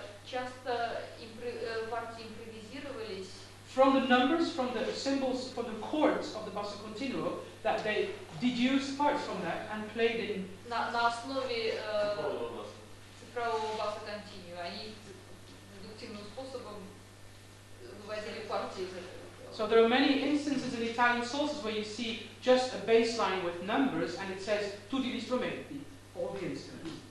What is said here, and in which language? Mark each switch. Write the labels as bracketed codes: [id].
[ru] Часто партии импровизировались. [en] From the numbers, from the symbols, from the chords of the basso continuo, that they deduced parts from that and played in. [ru] На основе цифрового basso continuo, они дедуктивным способом выводили партии из этого. [en] So there are many instances in Italian sources where you see just a bass line with numbers and it says [it] tutti gli strumenti, [en] all the instruments.